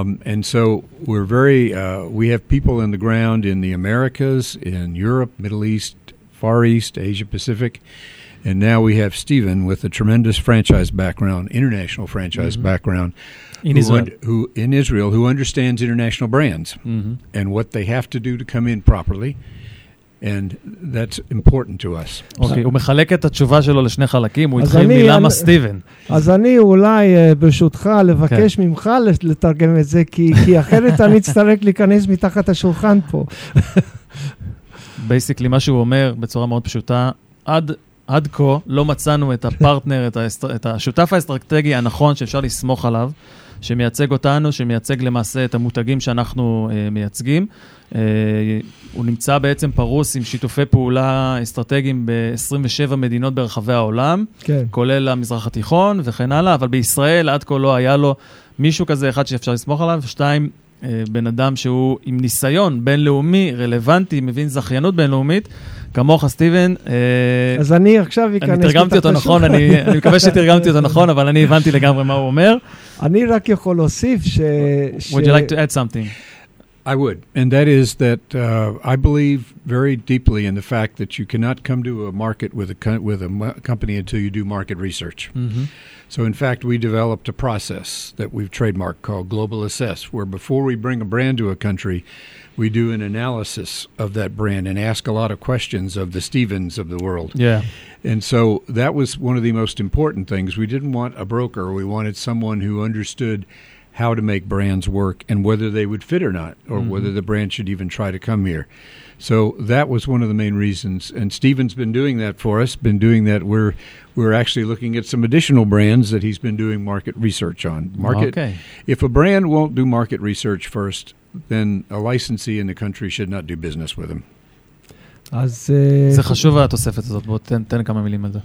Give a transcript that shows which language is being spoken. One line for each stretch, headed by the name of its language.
English: And so we're very, we have people on the ground in the Americas, in Europe, Middle East, Far East, Asia Pacific. And now we have Stephen with a tremendous franchise background, international franchise mm-hmm. background. In Israel, who understands international brands mm-hmm. and what they have to do to come in properly. And that's important to us.
Hebrew: Okay, הוא מחלק את התשובה שלו לשני חלקים, הוא התחיל מלמה סטיבן. אז אני אולי ברשותך לבקש ממך לתרגם את זה, כי אחרת אני אצטרך להיכנס מתחת השולחן פה. Basically, מה שהוא אומר בצורה מאוד פשוטה, עד כה לא מצאנו את הפרטנר, את השותף האסטרטגי הנכון שאפשר לסמוך עליו, שמייצג אותנו, שמייצג למעשה את המותגים שאנחנו מייצגים. הוא נמצא בעצם פרוס עם שיתופי פעולה אסטרטגיים ב-27 מדינות ברחבי העולם, כן. כולל המזרח התיכון וכן הלאה, אבל בישראל עד כה לא היה לו מישהו כזה אחד שאפשר לסמוך עליו, ושתיים, בן אדם שהוא עם ניסיון בינלאומי, רלוונטי, מבין זכיינות בינלאומית, כמוך, סטיבן. אז אני עכשיו אכנס. אני תרגמתי אותו נכון, אני מקווה שתרגמתי אותו נכון, אבל אני הבנתי לגמרי מה הוא אומר. אני רק יכול להוסיף ש...
English: Would you like to add something? I would. And that is that I believe very deeply in the fact that you cannot come to a market with a company until you do market research. Mm-hmm. So in fact, we developed a process that we've trademarked called Global Assess, where before we bring a brand to a country, we do an analysis of that brand and ask a lot of questions of the Stephens of the world. Yeah. And so that was one of the most important things. We didn't want a broker. We wanted someone who understood how to make brands work and whether they would fit or not, or mm-hmm. whether the brand should even try to come here. So that was one of the main reasons. And Stephen's been doing that for us, been doing that. We're actually looking at some additional brands that he's been doing market research on. If a brand won't do market research first, then a licensee in the country should not do business with him.
Hebrew: אז זה חשוב התוספת הזאת, בוא תן כמה מילים על זה.